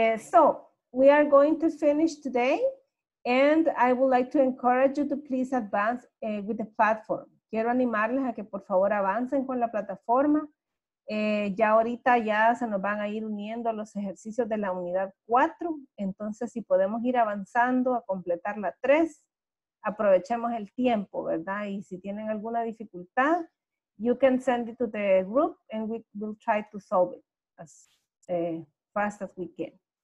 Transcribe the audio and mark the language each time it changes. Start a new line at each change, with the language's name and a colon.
English: So, we are going to finish today and I would like to encourage you to please advance with the platform.
Spanish: Quiero animarles a que por favor avancen con la plataforma. Ya ahorita ya se nos van a ir uniendo los ejercicios de la unidad 4, entonces si podemos ir avanzando a completar la 3, aprovechemos el tiempo, ¿verdad? Y si tienen alguna dificultad,
English: you can send it to the group and we will try to solve it as fast as we can.